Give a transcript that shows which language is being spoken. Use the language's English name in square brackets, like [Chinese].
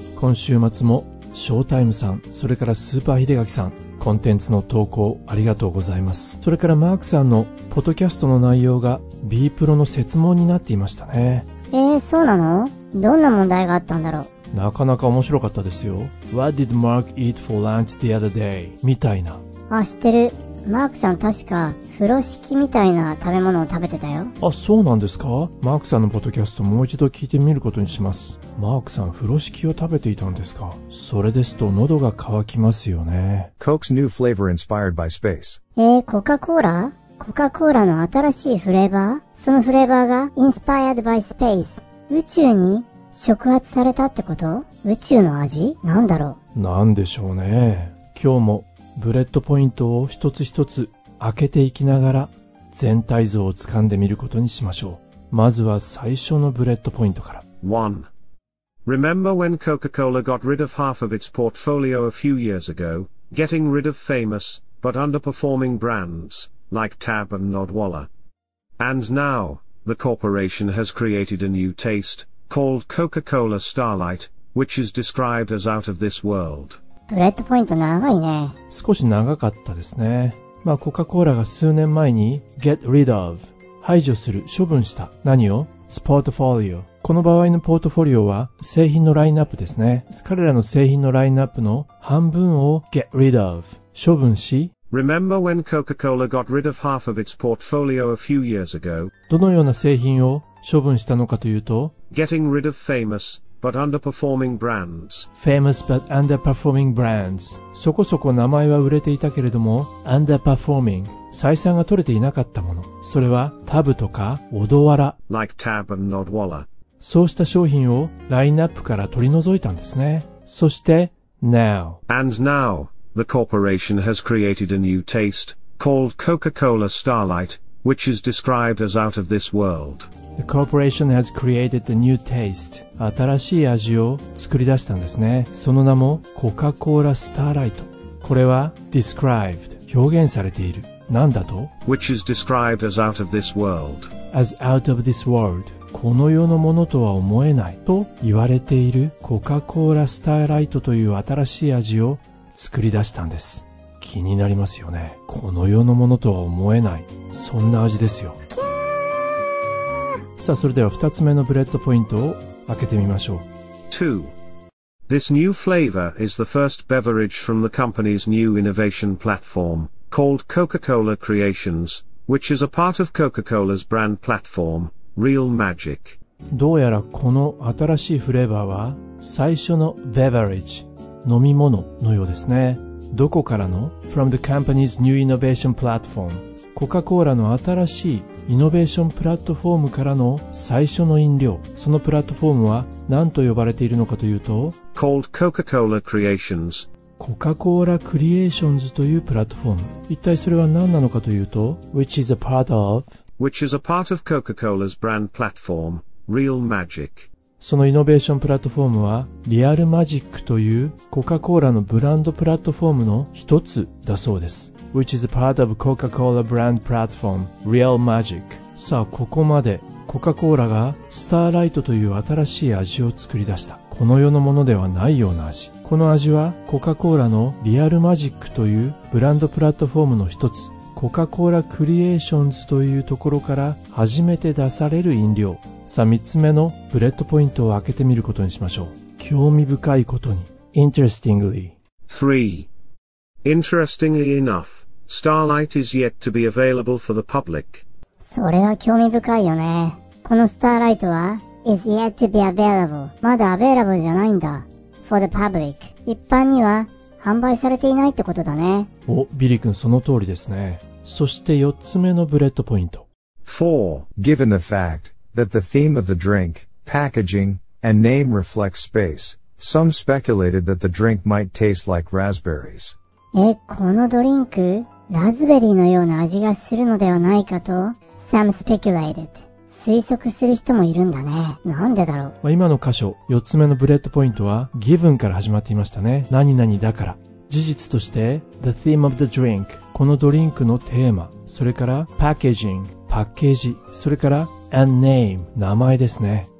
[Japanese] 今週末もショータイムさん、それからスーパーヒデガキさん、コンテンツの投稿ありがとうございます。それからマークさんのポッドキャストの内容が B プロの設問になっていましたね。そうなの？どんな問題があったんだろう。なかなか面白かったですよ。 [English] What did Mark eat for lunch the other day? [Japanese] みたいな。あ、知ってる。マークさん確か風呂敷みたいな食べ物を食べてたよ。あ、そうなんですか。マークさんのポッドキャストもう一度聞いてみることにします。マークさん風呂敷を食べていたんですか。それですと喉が渇きますよね。 [English] Coke's new flavor inspired by space. [Japanese] コカコーラ？コカコーラの新しいフレーバー？そのフレーバーが [English] inspired by space。 [Japanese] 宇宙に触発されたってこと？宇宙の味？なんだろう。なんでしょうね。今日もブレッドポイントを一つ一つ開けていきながら全体像をつかんでみることにしましょう。まずは最初のブレッドポイントから。 [English] 1. Remember when Coca-Cola got rid of half of its portfolio a few years ago, getting rid of famous, but underperforming brands, like Tab and Nodwalla. And now, the corporation has created a new taste, called Coca-Cola Starlight, which is described as out of this world. [Japanese] ブレッドポイント長いね。少し長かったですね。まあコカ・コーラが数年前に [English] get rid of、 [Japanese] 排除する、処分した。何を？スポートフォリオ。この場合のポートフォリオは製品のラインナップですね。彼らの製品のラインナップの半分を [English] get rid of、 [Japanese] 処分し、 [English] Remember when Coca-Cola got rid of half of its portfolio a few years ago? [Japanese] どのような製品を処分したのかというと、 [English] getting rid of famousBut underperforming brands. Famous but underperforming brands. [Japanese] そこそこ名前は売れていたけれども、underperforming、採算が取れていなかったもの。それはタブとかオドワラ。 [English] Like Tab and Nodwalla. [Japanese] そうした商品をラインナップから取り除いたんですね。そして now. [English] And now, the corporation has created a new taste called Coca-Cola Starlight, which is described as out of this world. The corporation has created a new taste. [Japanese] 新しい味を作り出したんですね。その名もコカ・コーラ・スターライト。これは described、 表現されている。なんだと？ [English] Which is described as out of this world. As out of this world. [Japanese] この世のものとは思えないと言われているコカ・コーラ・スターライトという新しい味を作り出したんです。気になりますよね。この世のものとは思えない、そんな味ですよ。さあ、それでは2つ目のブレッドポイントを開けてみましょう。 [English] 2. This new flavor is the first beverage from the company's new innovation platform, called Coca-Cola Creations, which is a part of Coca-Cola's brand platform, Real Magic. [Japanese] どうやらこの新しいフレーバーは最初の beverage、 飲み物のようですね。どこからの？ [English] From the company's new innovation platform. [Japanese] コカ・コーラの新しいイノベーションプラットフォームからの最初の飲料。そのプラットフォームは何と呼ばれているのかというと、 [English] Called Coca-Cola Creations。 [Japanese] コカ・コーラ・クリエーションズというプラットフォーム。一体それは何なのかというと、 [English] Which is a part of、 Which is a part of Coca-Cola's brand platform, Real Magic。 [Japanese] そのイノベーションプラットフォームは Real Magic というコカ・コーラのブランドプラットフォームの一つだそうです。 [English] Which is a part of Coca-Cola brand platform, Real Magic. [Japanese] さあ、ここまで。コカ・コーラがスターライトという新しい味を作り出した。この世のものではないような味。この味はコカ・コーラのリアルマジックというブランドプラットフォームの一つ、コカ・コーラ・クリエーションズというところから初めて出される飲料。さあ、三つ目のブレッドポイントを開けてみることにしましょう。興味深いことに。Interestingly. [English] 3. Interestingly enough, Starlight is yet to be available for the public. [Japanese] それは興味深いよね。このスターライトは [English] is yet to be available. [Japanese] まだ available じゃないんだ。 [English] for the public. [Japanese] 一般には販売されていないってことだね。お、ビリ君その通りですね。そして4つ目のブレッドポイント。 [English] 4. Given the fact that the theme of the drink, packaging, and name reflects space, some speculated that the drink might taste like raspberries. [Japanese] このドリンク、ラズベリーのような味がするのではないかと、 [English] some speculated。 [Japanese] 推測する人もいるんだね。なんでだろう。まあ、今の箇所、4つ目のブレッドポイントは、given から始まっていましたね。何々だから。事実として [English] The theme of the drink、 [Japanese] このドリンクのテーマ、それから Packaging、 パッケージ、それから [English] And name、 [Japanese] 名前ですね。